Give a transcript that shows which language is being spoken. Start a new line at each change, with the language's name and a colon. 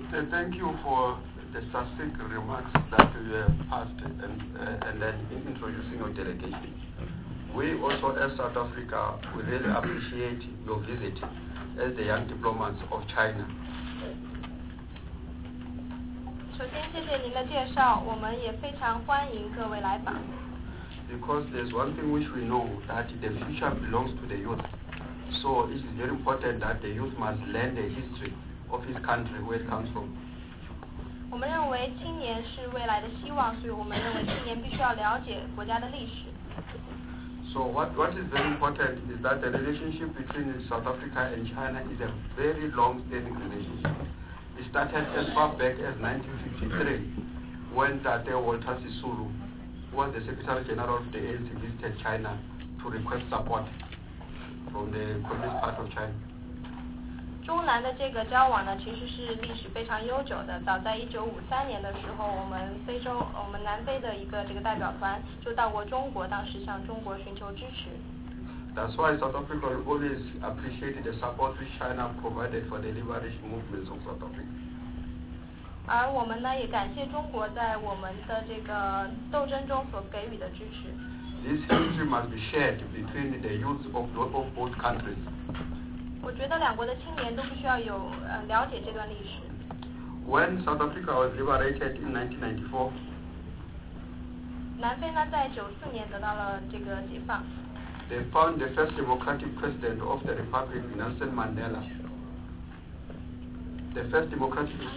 English: Thank you for the succinct remarks that you have passed and then introducing your delegation. We also, as South Africa, we really appreciate your visit as the young diplomats of China.
Chinese: 首先谢谢您的介绍，我们也非常欢迎各位来访。
English: Because there's one thing which we know, that the future belongs to the youth. So it is very important that the youth must learn the history of his country, where it comes from.
Chinese: 我们认为青年是未来的希望，所以我们认为青年必须要了解国家的历史。
English: So what is very important is that the relationship between South Africa and China is a very long-standing relationship. It started as far back as 1953 when Dr. Walter Sisulu, who was the Secretary General of the ANC, visited China to request support from the Communist Part of China.
Chinese: 中南的这个交往呢，其实是历史非常悠久的。早在1953年的时候，我们南非的一个这个代表团就到过中国，当时向中国寻求支持。
English: That's why South Africa always appreciated the support which China provided for the liberation movements of South Africa.
Chinese: 而我们呢，也感谢中国在我们的这个斗争中所给予的支持。
English: This history must be shared between the youth of both countries.
Chinese: 我觉得两国的青年都不需要有了解这段历史。
English: When South Africa was liberated in
Chinese: 1994, 南非呢在1994年得到了这个解放。
English: They found the first democratic president of the republic, Nelson Mandela. The first democratic.